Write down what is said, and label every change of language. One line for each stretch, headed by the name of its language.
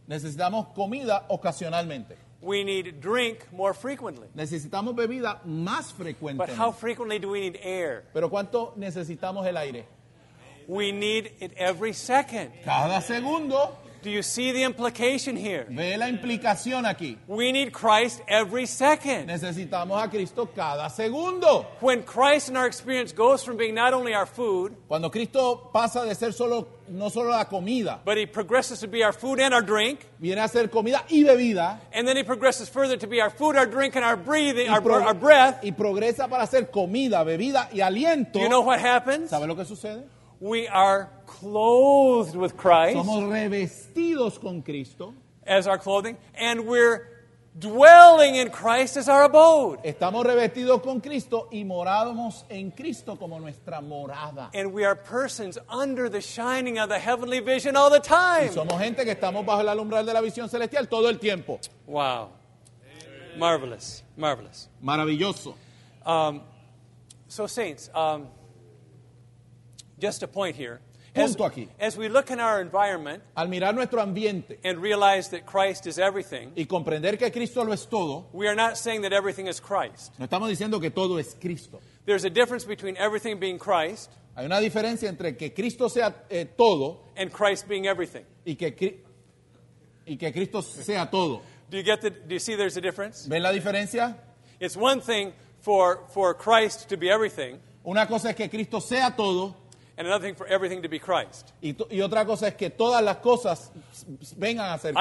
Spanish: Necesitamos comida ocasionalmente.
English: We need drink more frequently.
Spanish: Necesitamos bebida más frecuentemente.
English: But how frequently do we need air?
Spanish: Pero ¿cuánto necesitamos el aire?
English: We need it every second.
Spanish: Cada segundo.
English: Do you see the implication here?
Spanish: Ve la implicación aquí.
English: We need Christ every second.
Spanish: Necesitamos a Cristo cada segundo.
English: When Christ in our experience goes from being not only our food,
Spanish: cuando Cristo pasa de ser solo no solo la comida,
English: but he progresses to be our food and our drink,
Spanish: viene a ser comida y bebida,
English: and then he progresses further to be our food, our drink, and our breathing, our breath,
Spanish: y progresa para ser comida, bebida y aliento.
English: Do you know what happens?
Spanish: ¿Sabe lo que sucede?
English: We are clothed with Christ.
Spanish: Somos revestidos con Cristo.
English: As our clothing. And we're dwelling in Christ as our abode.
Spanish: Estamos revestidos con Cristo y moramos en Cristo como nuestra morada.
English: And we are persons under the shining of the heavenly vision all the time.
Spanish: Y somos gente que estamos bajo el alumbral de la visión celestial todo el tiempo.
English: Wow. Marvelous. Marvelous.
Spanish: Maravilloso.
English: So saints, just a point here. As we look in our environment,
Spanish: al mirar nuestro ambiente,
English: and realize that Christ is everything,
Spanish: y comprender que Cristo lo es todo,
English: we are not saying that everything is Christ.
Spanish: No estamos diciendo que todo es Cristo.
English: There's a difference between everything being Christ,
Spanish: hay una diferencia entre que Cristo sea todo,
English: and Christ being everything,
Spanish: y que Cristo sea todo.
English: Do you see there's a difference?
Spanish: ¿Ven la diferencia?
English: It's one thing for Christ to be everything.
Spanish: Una cosa es que Cristo sea todo.
English: And another thing for everything to be Christ.
Spanish: Y otra cosa es que todas las cosas vengan a ser Cristo.